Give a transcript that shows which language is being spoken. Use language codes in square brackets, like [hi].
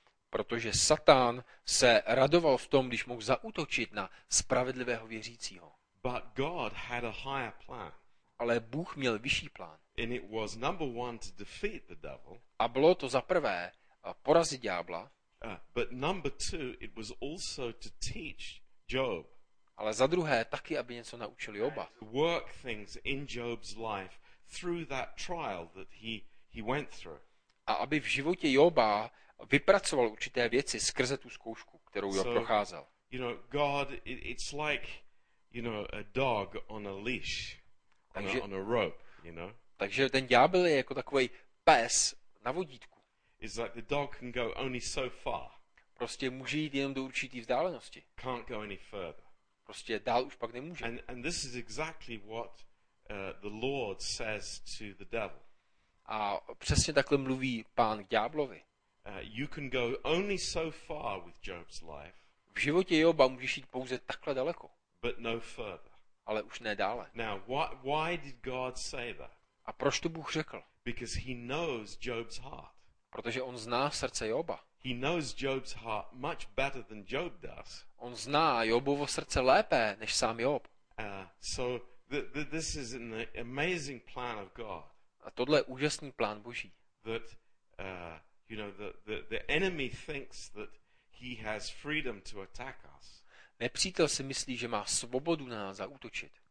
[cs] Protože Satan se radoval v tom, když mohl zaútočit na spravedlivého věřícího. [en] But God had a higher plan. [cs] Ale Bůh měl vyšší plán. [en] And it was number one to defeat the devil. [cs] A bylo to za prvé porazit ďábla. [en] But number two, it was also to teach Job. [cs] Ale za druhé taky, aby něco naučili Joba. [en] Work things in Job's life through that trial that he went through. [cs] A aby v životě Joba vypracoval určité věci skrze tu zkoušku, kterou Job procházel. [en] You know, God, it's like, you know, a dog on a leash, on a rope, you know. [cs] Takže ten ďábel je jako takový pes na vodítku. [en] It's like the dog can go only so far. [cs] Prostě může jít jenom do určité vzdálenosti. [en] Can't go any further. [cs] Prostě dál už pak nemůže. [en] And this is exactly what the Lord says to the devil. [cs] A přesně takhle mluví pán k ďáblovi. [en] You can go only so far with Job's life. [cs] V životě Joba můžeš jít pouze takhle daleko. [en] But no further. [cs] Ale už ne dále. [en] Now, why did God say that? [cs] A proč to Bůh řekl? [en] Because he knows Job's heart. [cs] Protože on zná srdce Joba. [en] He knows Job's heart much better than Job does. [cs] On zná Jobovo srdce lépe než sám Job. [en] This is an amazing plan of God. [cs] A tohle je úžasný plán Boží. [en] That you know the enemy thinks that he has freedom to attack us. [cs] Nepřítel si myslí, že má svobodu na nás zaútočit.